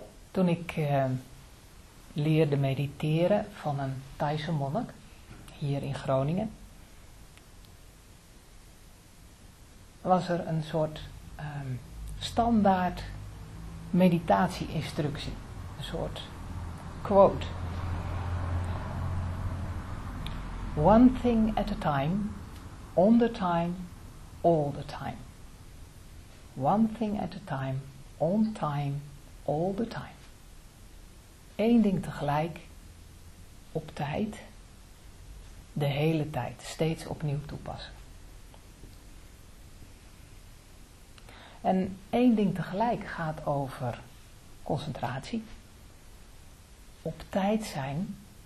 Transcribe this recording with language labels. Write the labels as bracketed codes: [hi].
[nl] Toen ik leerde mediteren van een Thaise monnik hier in Groningen, was er een soort standaard meditatie-instructie, een soort quote. [en] One thing at a time, on the time, all the time. One thing at a time, on time, all the time. [nl] Eén ding tegelijk, op tijd, de hele tijd, steeds opnieuw toepassen. En één ding tegelijk gaat over concentratie, op tijd zijn.